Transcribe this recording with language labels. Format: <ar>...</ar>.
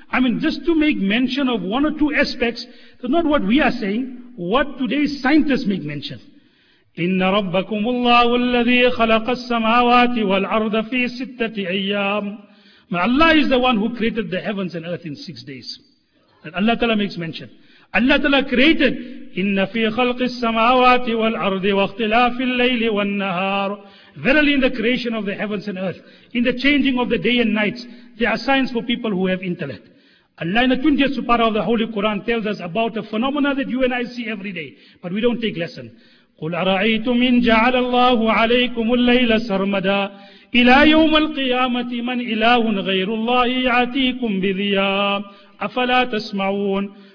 <en>I mean, just to make mention of one or two aspects, not what we are saying, what today's scientists make mention.</en> <ar>إِنَّ رَبَّكُمُ اللَّهُ الَّذِي خَلَقَ السَّمَاوَاتِ وَالْأَرْضَ فِي سِتَّةِ أَيَّامٍ.</ar> <en>Allah is the one who created the heavens and earth in 6 days. And Allah Ta'ala makes mention. Allah Ta'ala created,</en> <ar>إِنَّ فِي خَلْقِ السَّمَاوَاتِ وَالْأَرْضِ وَاخْتِلَافِ اللَّيْلِ وَالنَّهَارِ.</ar> <en>Verily in the creation of the heavens and earth, in the changing of the day and nights, there are signs for people who have intellect. Allah in the 20th surah of the Holy Quran tells us about a phenomena that you and I see every day, but we don't take lesson.</en> <ar>قُلْ أَرَعَيْتُمْ إِنْ جَعَلَ اللَّهُ عَلَيْكُمُ اللَّيْلَ سَرْمَدًا إِلَى يَوْمَ الْقِيَامَةِ مَنْ إِلَهٌ غَيْرُ اللَّهِ يَعْتِيكُمْ بِذِيَامٍ أَفَلَا تَسْمَعُونَ.</ar>